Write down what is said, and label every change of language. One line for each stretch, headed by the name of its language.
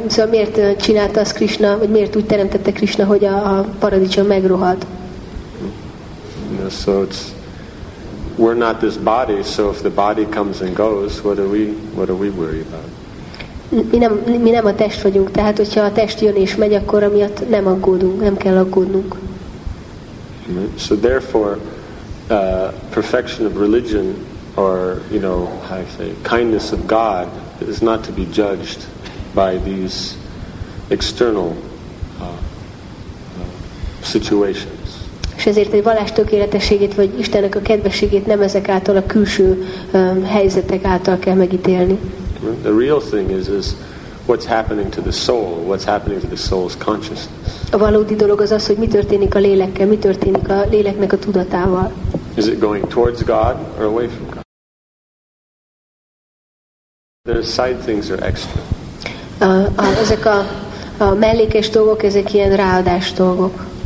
Hungarian: Miért csinálta azt Krishna, vagy miért úgy teremtette Krishna, hogy a paradicsom megrohadt?
English: So it's, we're not this body, so if the body comes and goes, what are we worried about?
Hungarian: Mi nem a test vagyunk, tehát hogyha a test jön és megy, akkor amiatt nem aggódunk, nem kell aggódnunk.
English: So therefore, perfection of religion, or you know, how I say, kindness of God, is not to be judged by these external situations.
Hungarian: És ezért egy vallás tökéletességét vagy Istennek a kedvességét nem ezek által a külső helyzetek által kell megítélni.
English: The real thing is what's happening to the soul, what's happening to the soul's consciousness.
Hungarian: A valódi dolog az, hogy mi történik a lélekkel, mi történik a léleknek a tudatával.
English: Is it going towards God or away from God? The side things are extra.
Hungarian: Ezek a mellékes dolgok, ezek ilyen ráadás dolgok.